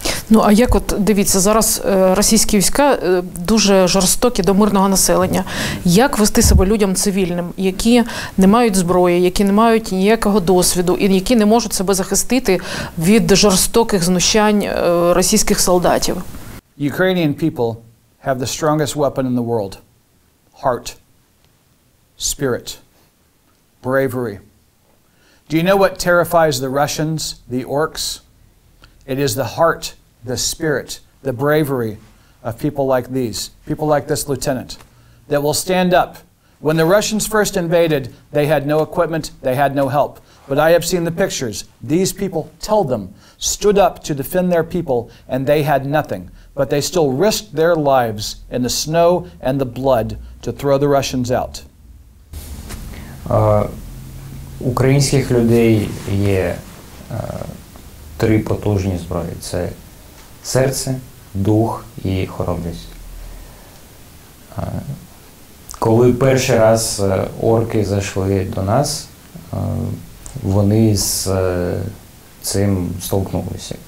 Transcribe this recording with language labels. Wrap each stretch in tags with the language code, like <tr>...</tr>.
<uk>Ну, а як от, дивіться, зараз російські війська дуже жорстокі до мирного населення. Як вести себе людям цивільним, які не мають зброї, які не мають ніякого досвіду і які не можуть себе захистити від жорстоких знущань російських солдатів?</uk> <en>Ukrainian people have the strongest weapon in the world. Heart, spirit, bravery. Do you know what terrifies the Russians, the orcs? It is the heart, the spirit, the bravery of people like these, people like this lieutenant, that will stand up. When the Russians first invaded, they had no equipment, they had no help. But I have seen the pictures. These people, tell them, stood up to defend their people, and they had nothing. But they still risked their lives in the snow and the blood to throw the Russians out.</en> <uk>Українських людей є три потужні зброї. Це серце, дух і хоробрість. Коли перший раз орки зайшли до нас, вони з цим столкнулися.</uk>